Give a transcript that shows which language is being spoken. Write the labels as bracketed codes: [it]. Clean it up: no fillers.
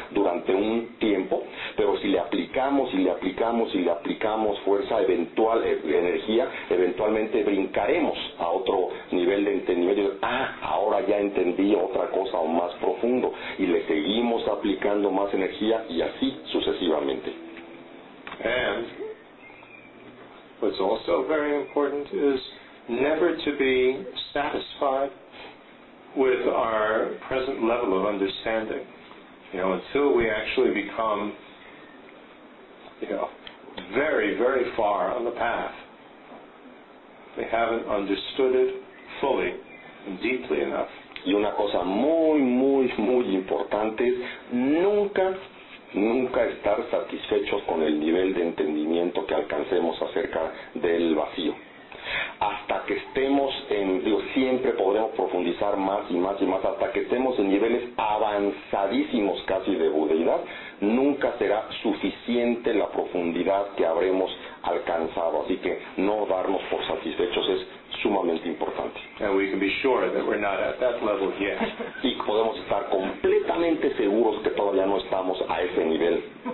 [es] Durante un tiempo, pero si le aplicamos y le aplicamos y le aplicamos fuerza eventual, energía, eventualmente brincaremos a otro nivel de entendimiento. Ahora ya entendí otra cosa o más profundo, y le seguimos aplicando más energía y así sucesivamente. [en] And what's also very important is never to be satisfied with our present level of understanding. You know, until we actually become very, very far on the path. They haven't understood it fully and deeply enough. [es] Y una cosa muy, muy, muy importante es nunca, nunca estar satisfechos con el nivel de entendimiento que alcancemos acerca del vacío. Hasta que estemos en, digo, siempre podremos profundizar más y más y más, hasta que estemos en niveles avanzadísimos casi de budeidad, nunca será suficiente la profundidad que habremos alcanzado. Así que no darnos por satisfechos es sumamente importante. [en] And we can be sure that we're not at that level yet. [es] Y podemos estar completamente seguros que todavía no estamos a ese nivel.